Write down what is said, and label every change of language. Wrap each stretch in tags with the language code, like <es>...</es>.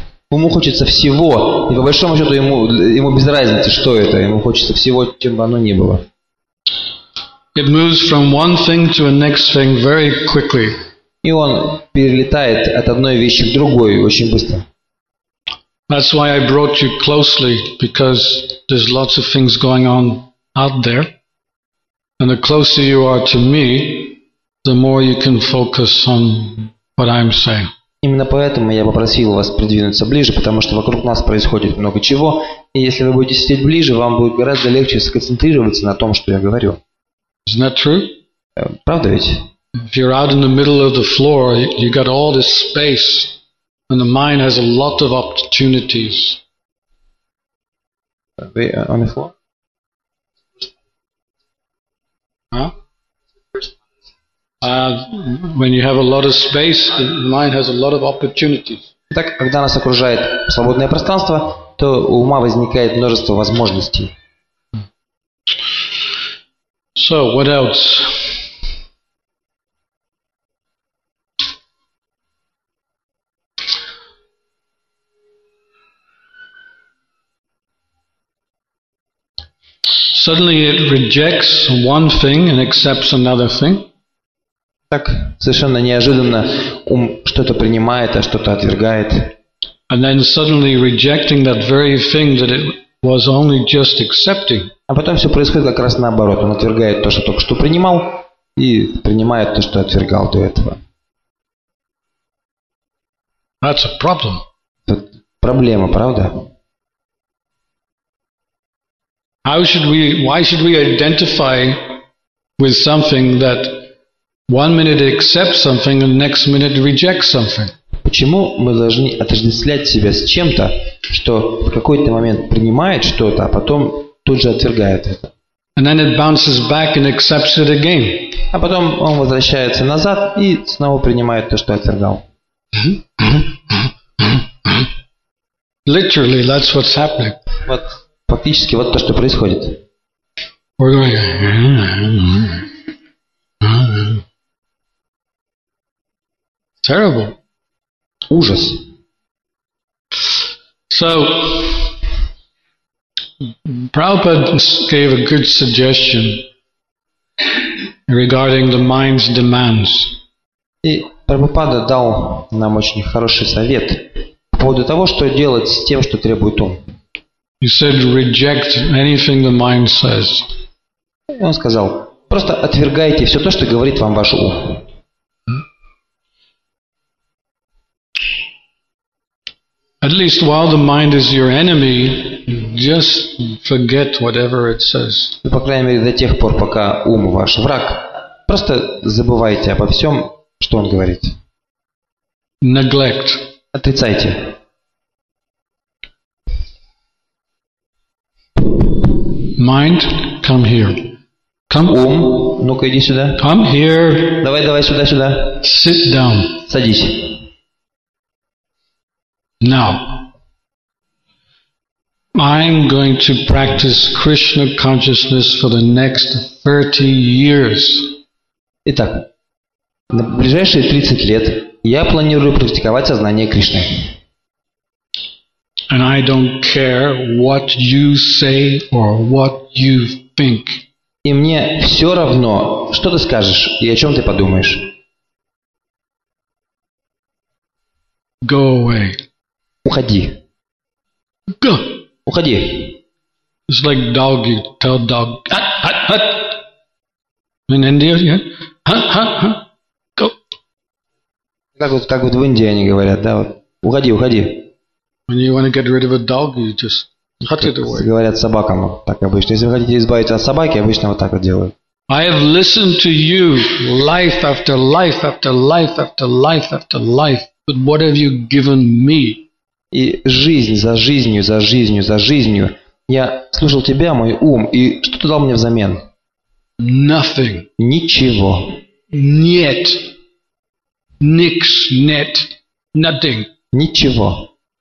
<ru>Ему хочется всего. И по большому счету ему без разницы, что это. Ему хочется всего, чем бы оно ни было.</ru> <en>It moves from one thing to the next thing very quickly.</en> <ru>И он перелетает от одной вещи к другой очень быстро.</ru> <en>That's why I brought you closely, because there's lots of things going on out there. And the closer you are to me, the more you can focus on what I'm saying.</en> <ru>Именно поэтому я попросил вас придвинуться ближе, потому что вокруг нас происходит много чего, и если вы будете сидеть ближе, вам будет гораздо легче сконцентрироваться на том, что я говорю.</ru> <en>Isn't that true?</en> <ru>Правда ведь?</ru> <en>If you're out in the middle of the floor, you got all this space, and the mind has a lot of opportunities.</en> <ru>Вы</ru> <en>on the floor? When you have a lot of space, the mind has a lot of opportunities.</en> <ru>Так, когда нас окружает свободное пространство, то у ума возникает множество возможностей.</ru> <en>So, what else? Suddenly it rejects one thing and accepts another thing.</en> <ru>Так совершенно неожиданно ум что-то принимает, а что-то отвергает.</ru> <en>And then suddenly rejecting that very thing that it was only just accepting.</en> <ru>А потом все происходит как раз наоборот. Он отвергает то, что только что принимал, и принимает то, что отвергал до этого.</ru> <en>That's a problem.</en> <ru>Это проблема, правда?</ru> <en>Why should we identify with something that one minute accepts something and the next minute rejects something?</en> <ru>Почему мы должны отождествлять себя с чем-то, что в какой-то момент принимает что-то, а потом тут же отвергает это?</ru> <en>And then it bounces back and accepts it again.</en> <ru>А потом он возвращается назад и снова принимает то, что отвергал.</ru> <en>Literally, that's what's happening.</en> <ru>Вот фактически вот то, что происходит.</ru> <en>We're going. Terrible.</en> <ru>Ужас.</ru> <en>So, Prabhupada gave a good suggestion regarding the mind's demands.</en> <ru>И Прабхупада дал нам очень хороший совет по поводу того, что делать с тем, что требует ум.</ru> <en>He said, reject anything the mind says.</en> <ru>Он сказал, просто отвергайте все то, что говорит вам ваш ум.</ru> <en>At least while the mind is your enemy, just forget whatever it says.</en> <ru>По крайней мере, до тех пор, пока ум ваш враг, просто забывайте обо всем, что он говорит.</ru> <en>Neglect.</en> <ru>Отрицайте.</ru> <en>Mind, come here. Come.</en> <ru>Ум, ну-ка иди сюда.</ru> <en>Come here.</en> <ru>Давай, давай сюда, сюда.</ru> <en>Sit down.</en> <ru>Садись.</ru> <en>Now, I'm going to practice Krishna consciousness for the next 30 years.</en> <ru>Итак, на ближайшие 30 лет я планирую практиковать сознание Кришны.</ru> <en>And I don't care what you say or what you think.</en> <ru>И мне все равно, что ты скажешь и о чем ты подумаешь.</ru> <en>Go away.</en> <ru>Уходи.</ru> <en>Go.</en> <ru>Уходи.</ru> <en>It's like dog, you tell dog. Hut, hut, hut. In India, yeah. Hut, hut, hut. Go.</en> <ru>Так вот в Индии они говорят, да? Вот. Уходи, уходи.</ru> <en>When you want to get rid of a dog, you just...</en> <ru>Говорят собакам так обычно. Если вы хотите избавиться от собаки, обычно вот так вот делают.</ru> <en>I have listened to you life after life after life after life after life, but what have you given me?</en> <ru>И жизнь за жизнью, за жизнью, за жизнью. Я слушал тебя, мой ум, и что ты дал мне взамен?</ru> <en>Nothing.</en> <ru>Ничего. Нет. Никс, нет.</ru> <en>Nothing.</en> <ru>Ничего.</ru>